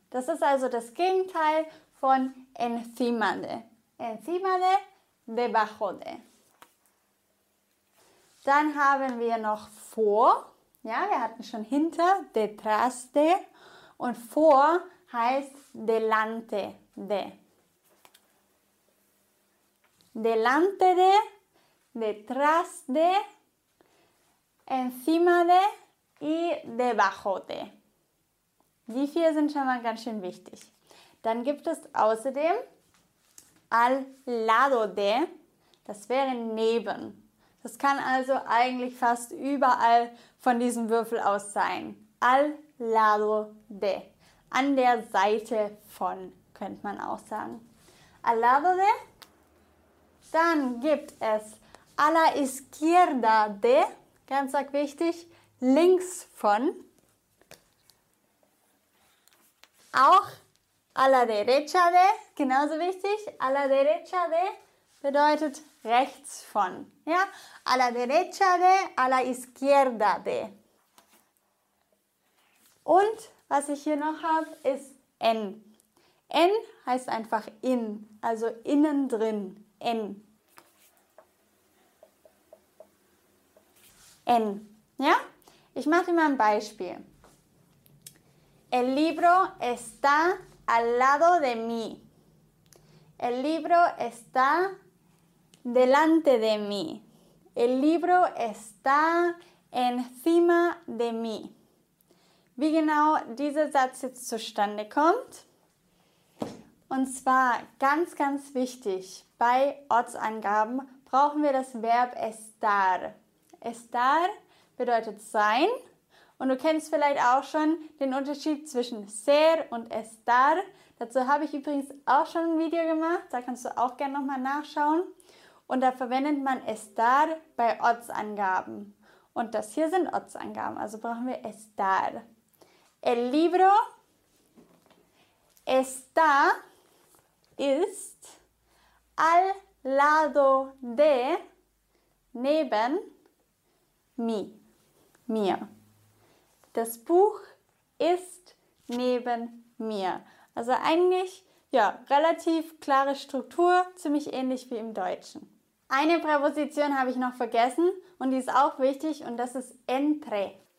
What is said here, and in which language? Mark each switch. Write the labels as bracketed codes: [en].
[de] Das ist also das Gegenteil von encima de. [es] Encima de, debajo de. [de] Dann haben wir noch vor. Ja, wir hatten schon hinter, detrás de. Und vor heißt delante de. [es] Delante de, detrás de, encima de y debajo de. [de] Die vier sind schon mal ganz schön wichtig. Dann gibt es außerdem al lado de, das wäre neben. Das kann also eigentlich fast überall von diesem Würfel aus sein. [es] Al lado de, [de] an der Seite von, könnte man auch sagen. [es] Al lado de, [de] dann gibt es [es] a la izquierda de, [de] ganz arg wichtig, links von. Auch [es] a la derecha de, [de] genauso wichtig, [es] a la derecha de [de] bedeutet rechts von. Ja? [es] A la derecha de, a la izquierda de. [de] Und was ich hier noch habe, ist en. En heißt einfach in, also innen drin, en. En, ja? Ich mache dir mal ein Beispiel. [es] El libro está al lado de mí. El libro está delante de mí. El libro está encima de mí. [de] Wie genau dieser Satz jetzt zustande kommt. Und zwar ganz, ganz wichtig, bei Ortsangaben brauchen wir das Verb estar. Estar bedeutet sein. Und du kennst vielleicht auch schon den Unterschied zwischen ser und estar. Dazu habe ich übrigens auch schon ein Video gemacht, da kannst du auch gerne nochmal nachschauen. Und da verwendet man estar bei Ortsangaben. Und das hier sind Ortsangaben, also brauchen wir estar. [es] El libro está, [de] ist, [es] al lado de, [de] neben, mir. Das Buch ist neben mir. Also eigentlich, ja, relativ klare Struktur, ziemlich ähnlich wie im Deutschen. Eine Präposition habe ich noch vergessen und die ist auch wichtig und das ist entre.